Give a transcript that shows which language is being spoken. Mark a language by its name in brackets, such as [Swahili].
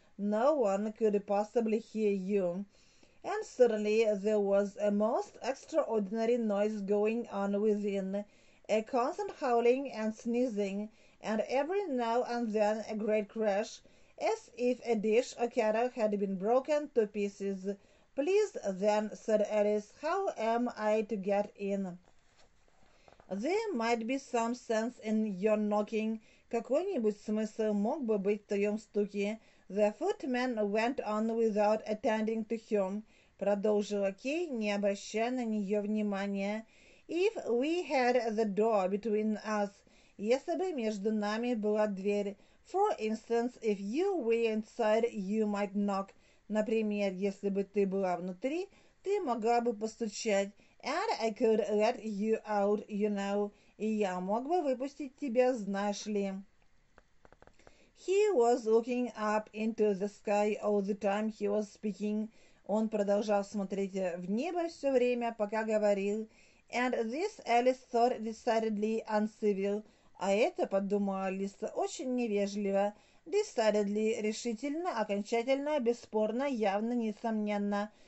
[English] No one could possibly hear you. And certainly there was a most extraordinary noise going on within, a constant howling and sneezing, and every now and then a great crash, as if a dish or kettle had been broken to pieces. Please then, said Alice, how am I to get in? There might be some sense in your knocking. [Russian] Какой-нибудь смысл мог бы быть в твоем стуке. [English] The footman went on without attending to him, [Russian] продолжила Кей, не обращая на нее внимания. [English] If we had the door between us, [Russian] если бы между нами была дверь. [English] For instance, if you were inside, you might knock. [Russian] Например, если бы ты была внутри, ты могла бы постучать. [English] And I could let you out, you know. [Russian] Я мог бы выпустить тебя, знаешь ли. [English] He was looking up into the sky all the time he was speaking. [Russian] Он продолжал смотреть в небо все время, пока говорил. [English] And this Alice thought decidedly uncivil. [Russian] А это, подумала Алиса, очень невежливо. Decidedly – решительно, окончательно, бесспорно, явно, несомненно.